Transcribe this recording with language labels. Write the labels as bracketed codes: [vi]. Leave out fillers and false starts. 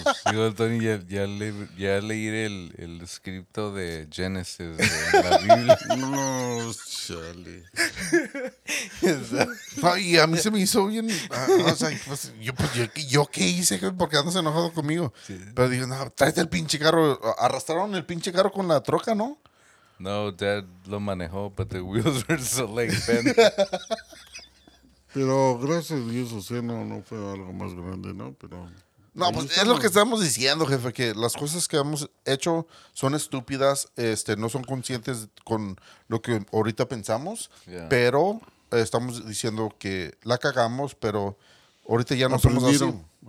[es] Digo, Tony, ya leí el scripto de Génesis de la Biblia. No, chale. Y a mí se me hizo bien. O sea, pues, yo qué hice, jefe, porque andas enojado conmigo. Sí. Pero digo, no, tráete el pinche carro. Arrastraron el pinche carro con la troca, ¿no? [en] No, Dad [es] lo manejó, [en] but the wheels were so like bent. [es] Pero gracias a Dios, o sea, no fue algo más grande, ¿no? Pero no, pues estamos. Es lo que estamos diciendo, jefe, que las cosas que hemos hecho son estúpidas, no son conscientes con lo que ahorita pensamos, pero estamos diciendo que la cagamos, pero ahorita ya no somos así.